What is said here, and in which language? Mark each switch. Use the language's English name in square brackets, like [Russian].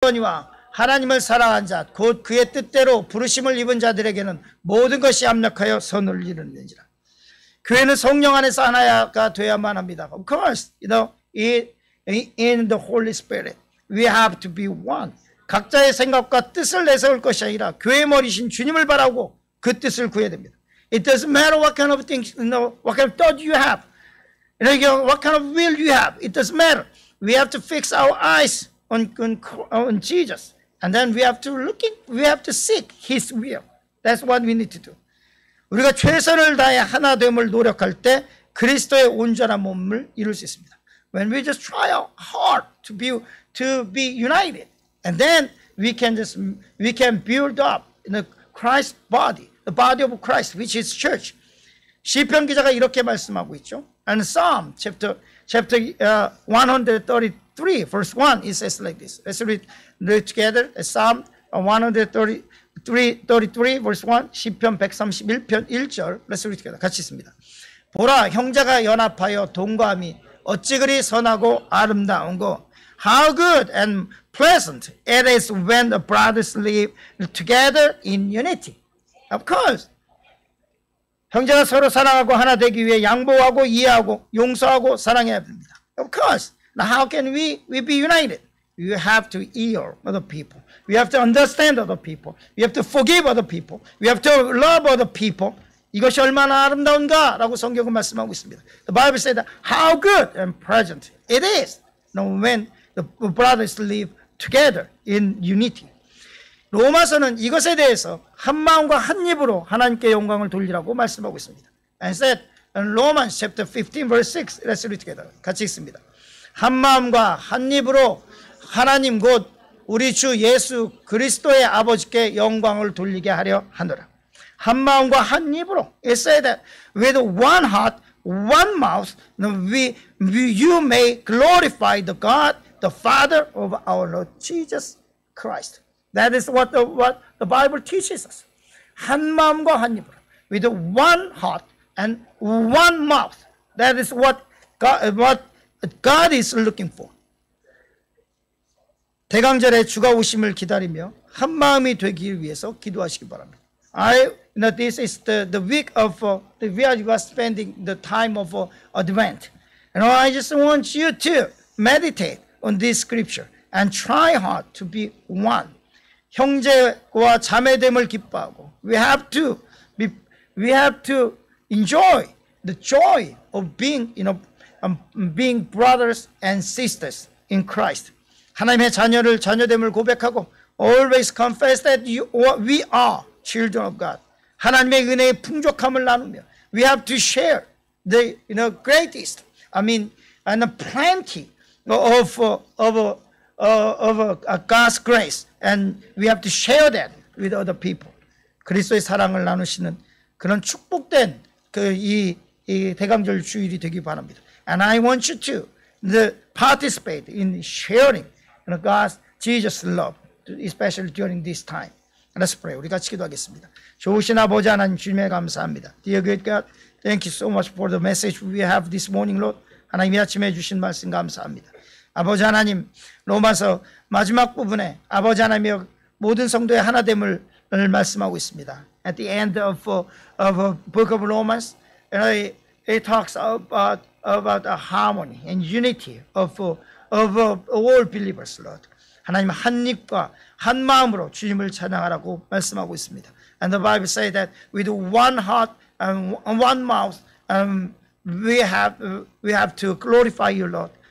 [Korean] 있거니와 하나님을 사랑한 자, 곧 그의 뜻대로 부르심을 입은 자들에게는 모든 것이 합력하여 선을 이루는지라. 교회는 성령 안에서 하나가 되어야만 합니다. [English] Of course, you know, in the Holy Spirit, we have to be one. [Korean] 각자의 생각과 뜻을 내세울 것이 아니라 교회 머리신 주님을 바라고 그 뜻을 구해야 됩니다. [English] It doesn't matter what kind of things, you know, what kind of thought you have, you know, what kind of will you have. It doesn't matter. We have to fix our eyes on Jesus, and then we have to looking, we have to seek His will. That's what we need to do. [Korean] 우리가 최선을 다해 하나 됨을 노력할 때 그리스도의 온전한 몸을 이룰 수 있습니다. [English] When we just try our heart to be united, and then we can build up in the Christ body, the body of Christ, which is church. [Korean] 시편 기자가 이렇게 말씀하고 있죠. [English] And Psalm chapter 133 verse 1, it says like this. Let's read together. Psalm 133 verse 1, [Korean] 시편 131편 1절. [English] Let's read together. [Korean] 같이 있습니다. 보라, 형제가 연합하여 동거함이 어찌 그리 선하고 아름다운 거. [English] How good and pleasant it is when the brothers live together in unity. Of course. [Korean] 형제가 서로 사랑하고 하나 되기 위해 양보하고 이해하고 용서하고 사랑해야 됩니다. [English] Of course. Now how can we be united? You have to hear other people. We have to understand other people. We have to forgive other people. We have to love other people. [Korean] 이것이 얼마나 아름다운가 라고 성경은 말씀하고 있습니다. [English] The Bible said that how good and present it is now when the brothers live together in unity. [Korean] 로마서는 이것에 대해서 한 마음과 한 입으로 하나님께 영광을 돌리라고 말씀하고 있습니다. [English] And said in Romans chapter 15 verse 6, let's read together. [Korean] 같이 읽습니다. 한 마음과 한 입으로 하나님 곧 우리 주 예수 그리스도의 아버지께 영광을 돌리게 하려 하노라. 한 마음과 한 입으로. [English] It said that with one heart, one mouth, you may glorify the God, the Father of our Lord Jesus Christ. That is what the Bible teaches us. [Korean] 한 마음과 한 입으로. [English] With one heart and one mouth. That is what God is looking for. [Korean] 대강절에 주가 오심을 기다리며 한 마음이 되기 위해서 기도하시기 바랍니다. [English] Now this is the week of the we are spending the time of Advent. And I just want you to meditate on this scripture and try hard to be one. [Korean] 형제와 자매됨을 기뻐하고 [English] we have to enjoy the joy of being, you know, being brothers and sisters in Christ. [Korean] 하나님의 자녀를 자녀됨을 고백하고 [English] always confess that we are children of God. [Korean] 하나님의 은혜의 풍족함을 나누며 [English] we have to share the, you know, greatest, I mean, and the plenty of God's grace, and we have to share that with other people. [Korean] 그리스도의 사랑을 나누시는 그런 축복된 그 이 대강절 주일이 되기 바랍니다. [English] And I want you to participate in sharing God's Jesus love, especially during this time. Let's pray. [Korean] 우리 같이 기도하겠습니다. 좋으신 아버지 하나님 주님에 감사합니다. [English] Dear great God, thank you so much for the message we have this morning, Lord. [Korean] 하나님 이 아침에 주신 말씀 감사합니다. 아버지 하나님, 로마서 마지막 부분에 아버지 하나님의 모든 성도의 하나됨을 말씀하고 있습니다. [English] At the end of a book of Romans, it talks about a harmony and unity of all believers, Lord. [Korean] 하나님 한 입과 한 마음으로 주님을 찬양하라고 말씀하고 있습니다. [English] And the Bible says that with one heart and one mouth, we have to glorify you, Lord.